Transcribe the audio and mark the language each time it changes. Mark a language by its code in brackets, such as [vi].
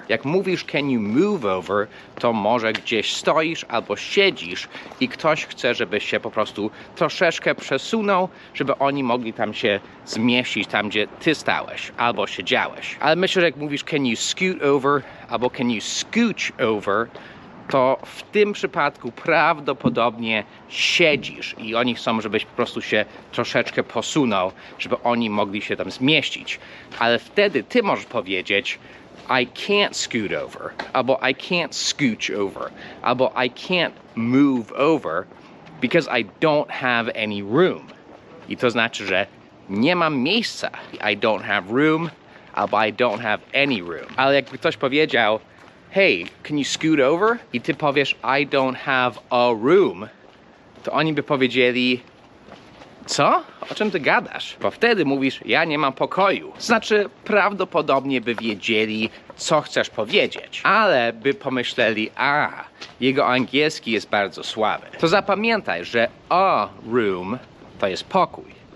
[pl] Jak mówisz [en] can you move over, [pl] to może gdzieś stoisz albo siedzisz i ktoś chce, żebyś się po prostu troszeczkę przesunął, żeby oni mogli tam się zmieścić, tam gdzie ty stałeś albo siedziałeś. Ale myślę, że jak mówisz [en] can you scoot over [pl] albo [en] can you scooch over, [pl] to w tym przypadku prawdopodobnie siedzisz i oni chcą, żebyś po prostu się troszeczkę posunął, żeby oni mogli się tam zmieścić. Ale wtedy ty możesz powiedzieć [en] I can't scoot over, albo I can't scooch over, albo I can't move over because I don't have any room. [pl] I to znaczy, że nie mam miejsca. [en] I don't have room, albo I don't have any room. [pl] Ale jakby ktoś powiedział [en] hey, can you scoot over? [pl] I ty powiesz, [en] I don't have a room. [pl] To oni by powiedzieli, co? O czym ty gadasz? Bo wtedy mówisz, ja nie mam pokoju. Znaczy, prawdopodobnie by wiedzieli, co chcesz powiedzieć. Ale by pomyśleli, a, jego angielski jest bardzo słaby. To zapamiętaj, że a room to jest pokój.